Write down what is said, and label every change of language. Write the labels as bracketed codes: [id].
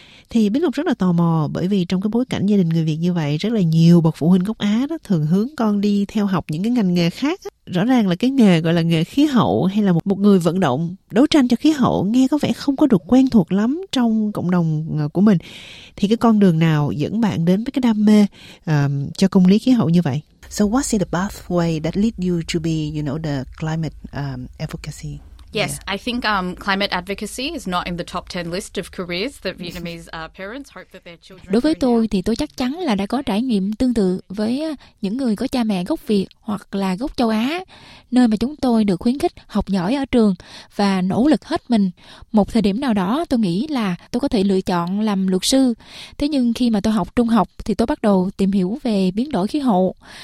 [vi] Thì Bích Ngọc rất là tò mò bởi vì trong cái bối cảnh gia đình người Việt như vậy, rất là nhiều bậc phụ huynh gốc Á đó thường hướng con đi theo học những cái ngành nghề khác. Rõ ràng là cái nghề gọi là nghề khí hậu hay là một người vận động đấu tranh cho khí hậu nghe có vẻ không có được quen thuộc lắm trong cộng đồng của mình. Thì cái con đường nào dẫn bạn đến với cái đam mê cho công lý khí hậu như vậy? [en] So what's the pathway that lead you to be, you know, the climate advocacy? Yes, yeah. I think climate advocacy is not in the top 10 list of careers that Vietnamese parents hope that their children. [vi] Đối với tôi thì tôi chắc chắn là đã có trải nghiệm tương tự với những người có cha mẹ gốc Việt hoặc là gốc châu Á, nơi mà chúng tôi được khuyến khích học giỏi ở trường và nỗ lực hết mình. Một thời điểm nào đó tôi nghĩ là tôi có thể lựa chọn làm luật sư. Thế nhưng khi mà tôi học trung học thì tôi bắt đầu tìm hiểu về biến đổi khí hậu.